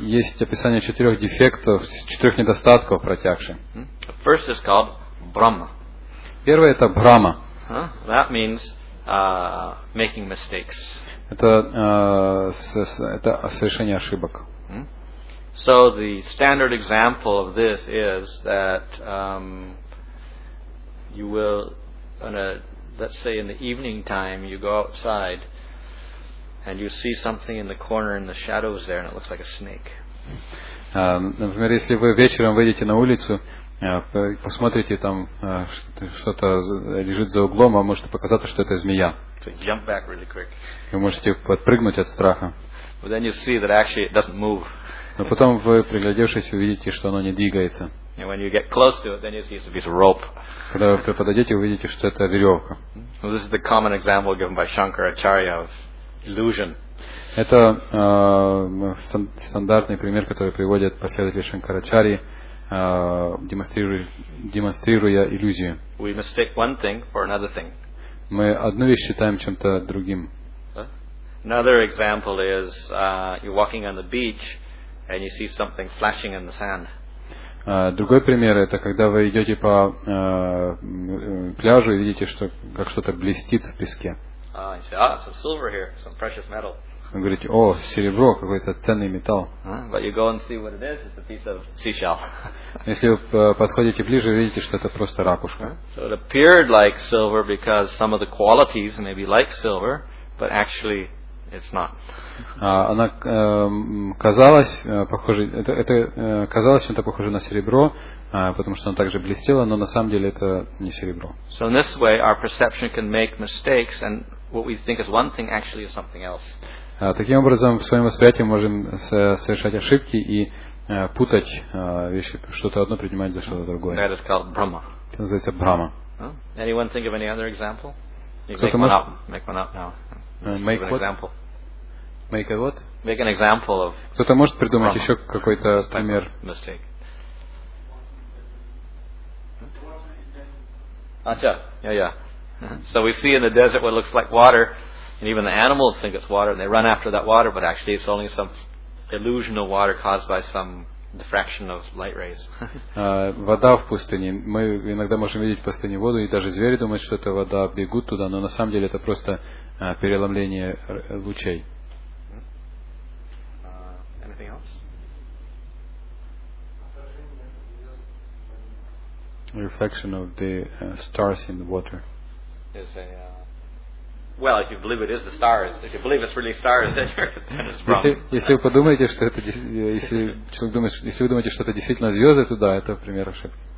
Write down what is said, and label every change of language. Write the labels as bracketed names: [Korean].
[Russian] Есть описание четырех дефектов, четырех недостатков пратьякши. [English] First is called Brahma. [Russian] Первое это Брахма. [English] That means making mistakes. [Russian] Это совершение ошибок. [English] So the standard example of this is that you will, let's say in the evening time, you go outside. And you see something in the corner in the shadows there, and it looks like a snake. [Russian] Например, если вы вечером выйдете на улицу, посмотрите там что-то лежит за углом, вам может показаться, что это змея. [English] So you jump back really quick. [Russian] Вы можете подпрыгнуть от страха. [English] But then you see that actually it doesn't move. [Russian] Но потом вы, приглядевшись, увидите, что оно не двигается. [English] And when you get close to it, then you see it's a piece of rope. [Russian] Когда вы подойдете, увидите, что это веревка. [English] So this is the common example given by Shankaracharya of illusion. [Russian] Это стандартный пример, который приводят последователи Шанкарачарьи, демонстрируя иллюзию. [English] We mistake one thing for another thing. [Russian] Мы одну вещь считаем чем-то другим. [English] Another example is you're walking on the beach and you see something flashing in the sand. [Russian] Другой пример это когда вы идете по пляжу и видите, что как что-то блестит в песке. [English] You say, ah, some silver here, some precious metal. [Russian] Вы говорите, о, серебро, какой-то ценный металл. [English] But you go and see what it is, it's a piece of seashell. [Russian] Если вы подходите ближе, видите, что это просто ракушка. [English] So it appeared like silver because some of the qualities may be like silver, but actually it's not. [Russian] Она казалась похоже, это казалось чем-то похоже на серебро, потому что оно также блестело, но на самом деле это не серебро. [English] So in this way our perception can make mistakes and what we think is one thing actually is something else. [Russian] Таким образом, в своем восприятии мы можем совершать ошибки и путать вещи, что-то одно принимать за что-то другое. [English] That is called Brahma. [Russian] Это называется Брахма. [English] Anyone think of any other example? Make one up now. Make a what? Make an example of. [Russian] Кто-то может придумать Brahma. Еще какой-то пример? [English] Mistake. Acha, yeah, yeah. So we see in the desert what looks like water. And even the animals think it's water and they run after that water, but actually it's only some illusional water caused by some diffraction of light rays. [Russian] Вода в пустыне. Мы иногда можем видеть в пустыне воду, и даже звери думают, что это вода, бегут туда, но на самом деле это просто переломление лучей. [English] Anything else? Reflection of the stars in the water. Well, if you believe it is the stars, if you believe it's really stars, then it's wrong. [Russian] Если вы подумаете, что это, если человек думает, если вы думаете, что это действительно звезды, то да, это пример ошибки.